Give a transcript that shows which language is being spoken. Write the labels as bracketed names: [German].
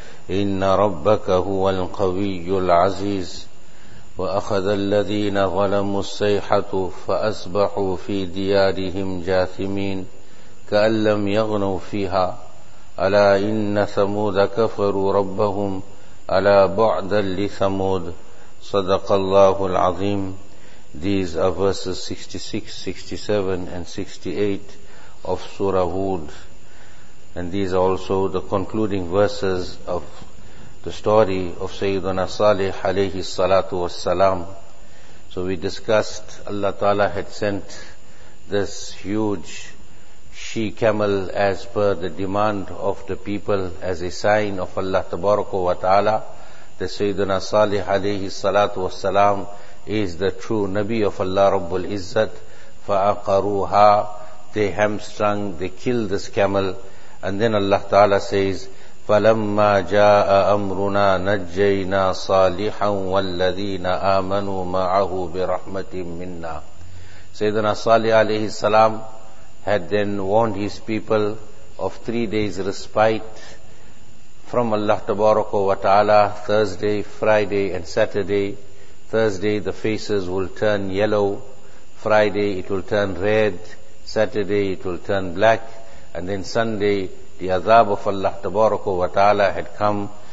[Arabic] إن ربك هو القوي العزيز وأخذ الذين ظلموا الصيحة فأصبحوا في ديارهم جاثمين كأن لم يغنوا فيها ألا إن ثمود كفروا ربهم ألا بعدا لثمود صدق الله العظيم. [English] These are verses 66, 67 and 68 of Surah Hud, and these are also the concluding verses of the story of Sayyiduna Salih alayhi salatu wassalam. So we discussed Allah Ta'ala had sent this huge she camel as per the demand of the people as a sign of Allah Tabaraka wa Ta'ala, that Sayyiduna Salih alayhi salatu wassalam is the true Nabi of Allah Rabbul Izzat. Fa'aqaruha, they hamstrung, they killed this camel. And then Allah Ta'ala says, [Arabic] فَلَمَّا جَاءَ أَمْرُنَا نَجَّيْنَا صَالِحًا وَالَّذِينَ آمَنُوا مَعَهُ بِرَحْمَةٍ مِنَّا. [English] Sayyiduna Salih alayhi salam had then warned his people of 3 days respite from Allah Tabaraka wa Ta'ala, Thursday, Friday and Saturday. Thursday the faces will turn yellow, Friday it will turn red, Saturday it will turn black, and then Sunday the azab of Allah Tabaraka wa Ta'ala had come.